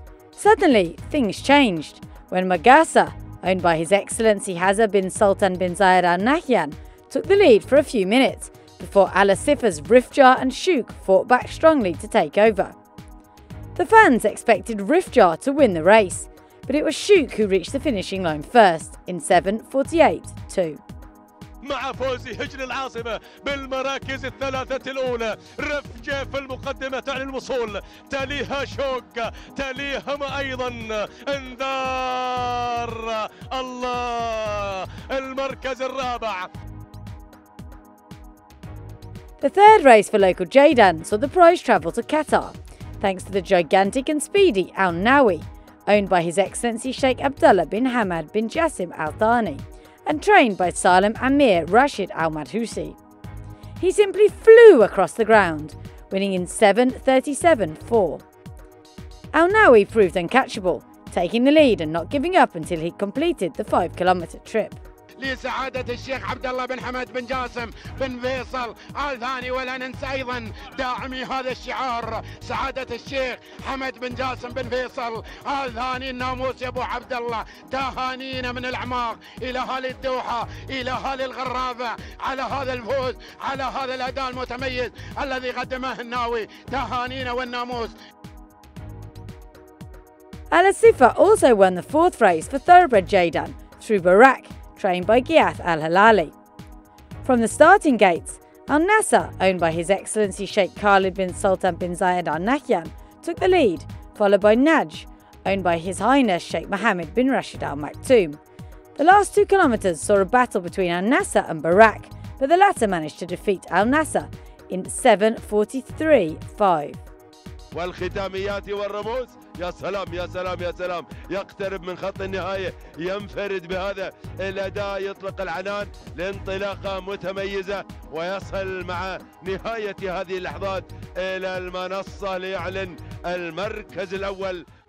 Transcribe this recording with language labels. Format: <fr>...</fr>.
<en>Suddenly, things changed when Magasa, owned by His Excellency Hazar bin Sultan bin Zayed Al Nahyan, took the lead for a few minutes before Al Asifa's Rifjar and Shuk fought back strongly to take over. The fans expected Rifjar to win the race, but it was Shuk who reached the finishing line first in 7:48.2.</en> <ar>مع فوز هجن العاصمة بالمراكز الثلاثة الأولى رفجة في المقدمة تعلن الوصول تليها شوك تليهم أيضا انذار الله المركز الرابع.</ar> <en>The third race for local Jadan saw the prize travel to Qatar, thanks to the gigantic and speedy Al Nawi, owned by His Excellency Sheikh Abdullah bin Hamad bin Jassim Al Thani, and trained by Salem Amir Rashid Al Madhusi. He simply flew across the ground, winning in 7:37.4. Al Nawi proved uncatchable, taking the lead and not giving up until he completed the 5 kilometer trip.</en> <ar>لسعادة الشيخ عبد الله بن حمد بن جاسم بن فيصل آل ثاني ولا ننسى أيضا داعمي هذا الشعار سعادة الشيخ حمد بن جاسم بن فيصل آل ثاني الناموس يا أبو عبد الله تهانينا من الأعماق إلى هال الدوحة إلى هال الغرابة على هذا الفوز على هذا الأداء المتميز الذي قدمه الناوي تهانينا والناموس.</ar> <en>Ala Sifa also won the fourth race for Thoroughbred Jaydan through Barak, trained by Ghiath Al-Halali. From the starting gates, Al Nasser, owned by His Excellency Sheikh Khalid bin Sultan bin Zayed Al Nahyan, took the lead, followed by Naj, owned by His Highness Sheikh Mohammed bin Rashid Al Maktoum. The last 2 kilometres saw a battle between Al Nasser and Barak, but the latter managed to defeat Al Nasser in 7:43.5.</en> <ar>والختاميات والرموز يا سلام يا سلام يا سلام يقترب من خط النهاية ينفرد بهذا الأداء يطلق العنان لانطلاقة متميزة ويصل مع نهاية هذه اللحظات إلى المنصة ليعلن المركز الأول.</ar>